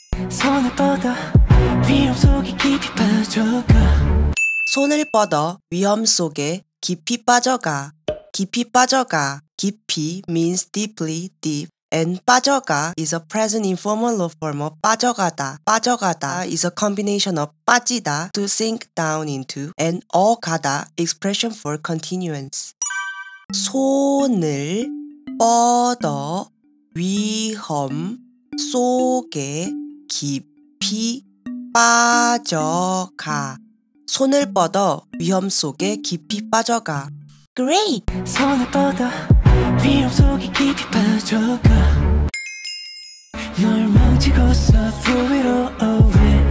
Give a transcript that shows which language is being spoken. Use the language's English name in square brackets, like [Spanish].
[Korean] 손을 뻗어 위험 속에 깊이 빠져가. 손을 뻗어 위험 속에 깊이 빠져가. 깊이 빠져가. [English] 깊이 means deeply, deep. And 빠져가 is a present informal law form of 빠져가다. 빠져가다 is a combination of 빠지다, to sink down into, and 어가다, expression for continuance. [Korean] 손을 뻗어 위험 속에 깊이 빠져가. 손을 뻗어 위험 속에 깊이 빠져가. [English] Great! [Korean] 손을 뻗어 위험 속에 깊이 빠져가. 널 망치고서 [English] throw it all away.